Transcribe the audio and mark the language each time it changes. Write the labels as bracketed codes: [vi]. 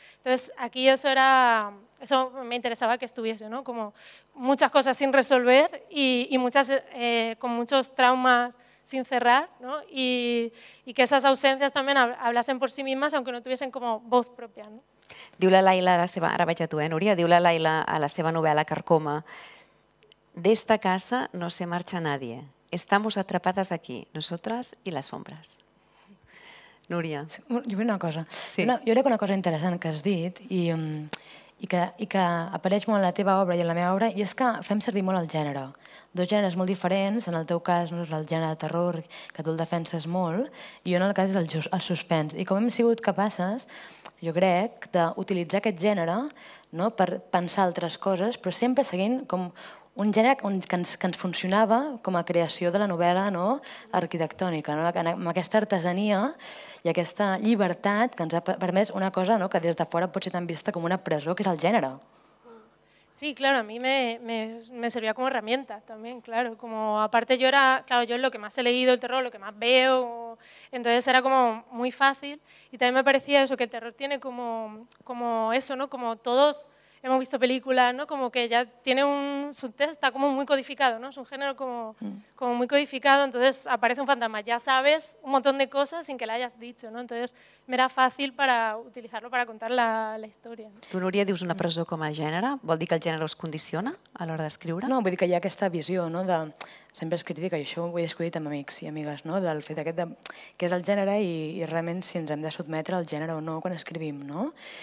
[es] Entonces aquí eso me interesaba que estuviese, ¿no? Como muchas cosas sin resolver y muchas con muchos traumas sin cerrar, ¿no? Y que esas ausencias también hablasen por sí mismas, aunque no tuviesen como voz propia, ¿no? [ca] Diu la Laila, ara vaig a tu, Núria, diu la Laila a la seva novel·la Carcoma, [es] «D'esta casa no se marcha nadie, estamos atrapadas aquí, nosotras y las sombras». [ca] Núria. Jo crec que una cosa interessant que has dit, i que apareix molt en la teva obra i en la meva obra, i és que fem servir molt el gènere. Dos gèneres molt diferents, en el teu cas no és el gènere de terror, que tu el defenses molt, i jo en el cas és el suspens. I com hem sigut capaces, jo crec, d'utilitzar aquest gènere, no?, per pensar altres coses, però sempre seguint com un gènere que ens funcionava com a creació de la novel·la, no?, arquitectònica, no?, amb aquesta artesania i aquesta llibertat que ens ha permès una cosa, no?, que des de fora pot ser tan vista com una presó, que és el gènere. [es] Sí, claro, a mí me servía como herramienta también, claro, como aparte yo era, claro, yo es lo que más he leído el terror, lo que más veo, entonces era como muy fácil y también me parecía eso, que el terror tiene como eso, ¿no? Como todos hemos visto películas, ¿no? Como que ya tiene un subtexto, está como muy codificado, ¿no? Es un género como muy codificado, entonces aparece un fantasma, ya sabes un montón de cosas sin que la hayas dicho, ¿no? Entonces me era fácil para utilizarlo para contar la historia. ¿No? [ca] Tu, Núria, dius una presó com a gènere? Vol dir que el gènere us condiciona a l'hora d'escriure? No, vull dir que hi ha aquesta visió, no?, de... Sempre es critica, i això ho he escollit amb amics i amigues, no?, del fet aquest de què és el gènere i realment si ens hem de sotmetre al gènere o no quan escrivim, no?